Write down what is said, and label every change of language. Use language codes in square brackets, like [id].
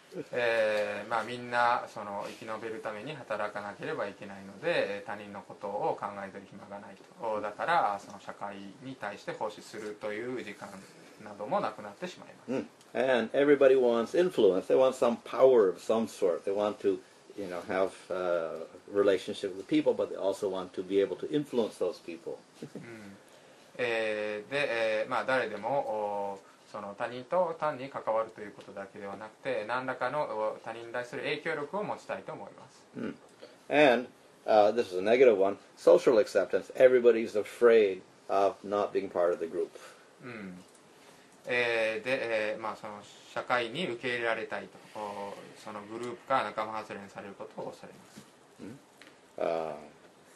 [ja] で、まあ、みんなその生き延びるために働かなければいけないので、他人のことを考えている暇がないと、だからその社会に対して奉仕するという時間などもなくなってしまいます。 [en] And everybody wants influence. They want some power of some sort. They want to, you know, have a relationship with people, but they also want to be able to influence those people. [ja] で、まあ、誰でもその他人と単に関わるということだけではなくて、何らかの他人に対する影響力を持ちたいと思います。 [en] And this is a negative one. Social acceptance. Everybody's afraid of not being part of the group. [ja] その社会に受け入れられたいと、そのグループから仲間外れにされることを恐れます。